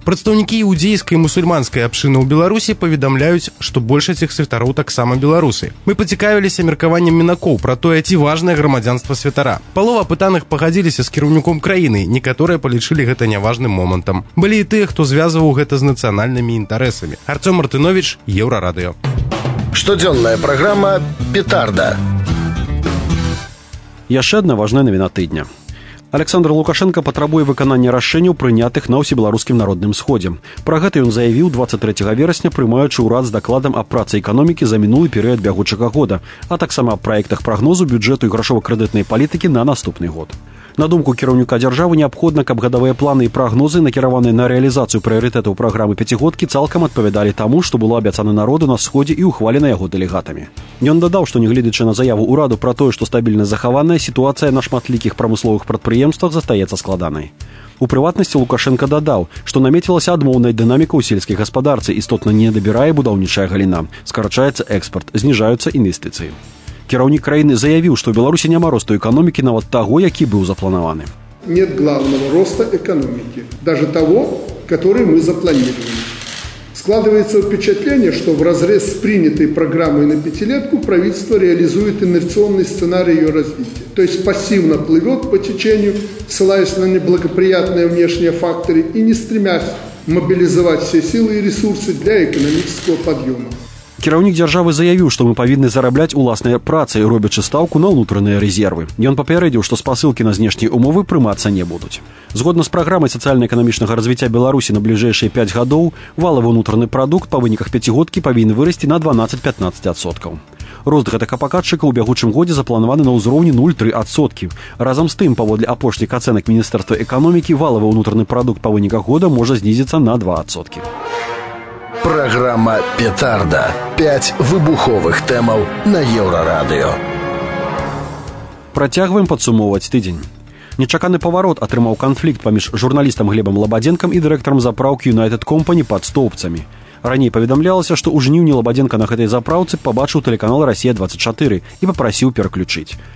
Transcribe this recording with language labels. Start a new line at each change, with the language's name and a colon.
Belarusian: Прадстаўнікі іўдзейскай і мусульманскай абшыны ў Беларусі паведамляюць, што большасць іх святароў таксама беларусы. Мы пацікавіліся меркаваннем мінакоў пра тое, ці важнае грамадзянства святара. Палова апытаных пагадзіліся з кіраўніком краіны, некаторыя палічылі гэта няважным момантам. Былі і тыя, хто звязваў гэта з нацыянальнымі інтарэсамі. Арцём Мартынович, Еўрарадыё. Штодзённая праграма «Петарда». Яшчэ адна важная навіна тыдня. Александр Лукашэнка патрабуе выканання рашэнняў, прынятых на ўсебеларускім народным сходзе. Пра гэта ён заявіў 23 верасня, прымаючы ўрад з дакладам аб працы эканомікі за мінулы перыяд бягучага года, а таксама аб праектах прагнозу бюджэту і грашова-крэдытнай палітыкі на наступны год. На думку кіраўніка дзяржавы, неабходна, каб гадавыя планы і прагнозы, накіраваныя на рэалізацыю прыярытэтаў праграмы пяцігодкі, цалкам адпавядалі таму, што было абяцана народу на сходзе і ўхвалена яго дэлегатамі. Ён дадаў, што нягледзячы на заяву ўраду пра тое, што стабільна захаваная сітуацыя на шматлікіх прамысловых прадпрыемствах застаецца складанай. У прыватнасці Лукашэнка дадаў, што намецілася адмоўная дынаміка ў сельскай гаспадарцы, істотна не дабірае будаўнічая галіна, скарачаецца экспарт, зніжаюцца інвестыцыі. Кіраўнік краіны заявіў, што ў Беларусі няма росту эканомікі нават таго, які быў запланаваны.
Russian: Нет главного роста экономики, даже того, который мы запланировали. Складывается впечатление, что в разрез с принятой программой на пятилетку правительство реализует инерционный сценарий ее развития. То есть пассивно плывет по течению, ссылаясь на неблагоприятные внешние факторы и не стремясь мобилизовать все силы и ресурсы для экономического подъема.
Belarusian: Кіраўнік дзяржавы заявіў, што мы павінны зарабляць уласныя працы, робячы стаўку на ўнутраныя рэзервы. Ён папярэдзіў, што спасылкі на знешнія умовы прымацца не будуць. Згодна з праграмай сацыяльна-эканамічнага развіцця Беларусі на бліжэйшыя 5 гадоў, валавы ўнутраны прадукт па выніках пяцігодкі павінны вырасці на 12-15%. Рост гэтых паказчыкаў у бягучым годзе запланаваны на ўзроўні 0,3%. Разам з тым, паводле апошніх ацэнак Міністэрства эканомікі, валавы ўнутраны прадукт па выніках года можа знізіцца на 2%.
Russian: Программа «Петарда». 5 вибуховых темов на Еврорадио.
Belarusian: Працягваем падсумоўваць тыдзень. Нечаканы паварот атрымаў канфлікт паміж журналістам Глебам Лабадзенкам і дырэктарам запраўкі United Company пад Стоўбцамі. Раней паведамлялася, што ў жніўні Лабадзенка на гэтай запраўцы пабачыў тэлеканал «Расія-24» і папрасіў пераключыць.